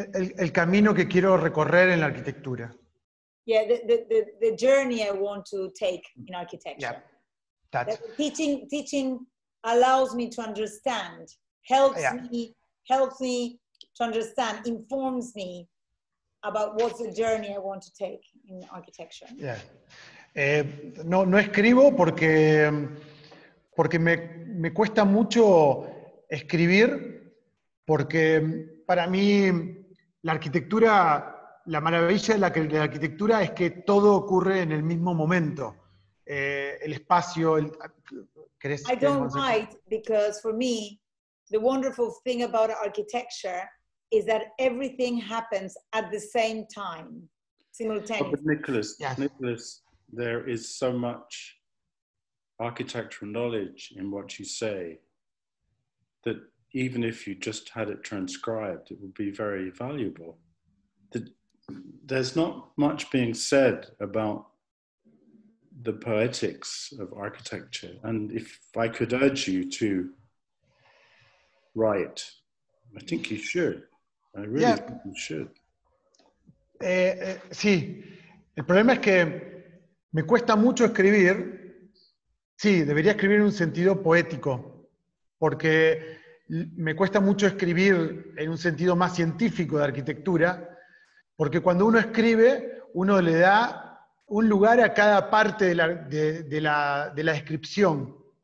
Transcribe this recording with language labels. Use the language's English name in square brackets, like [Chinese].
[Spanish] El camino que quiero recorrer en la arquitectura. [English] Yeah, the journey I want to take in architecture. Yeah, that. Teaching allows me to understand, helps me to understand, informs me about what's the journey I want to take in architecture. Yeah. [Spanish] No escribo porque me cuesta mucho escribir, porque para mí la arquitectura, la maravilla de la arquitectura es que todo ocurre en el mismo momento. El espacio, el... [English] I don't write because for me, the wonderful thing about architecture is that everything happens at the same time, simultaneously. But Nicholas, yes. Nicholas, there is so much architectural knowledge in what you say that even if you just had it transcribed, it would be very valuable. There's not much being said about the poetics of architecture. And if I could urge you to write, I think you should. I really think you should. [Spanish] Sí, el problema es que me cuesta mucho escribir. Sí, debería escribir en un sentido poético, porque me cuesta mucho escribir en un sentido más científico de arquitectura, porque cuando uno escribe, uno le da un lugar a cada parte de la descripción.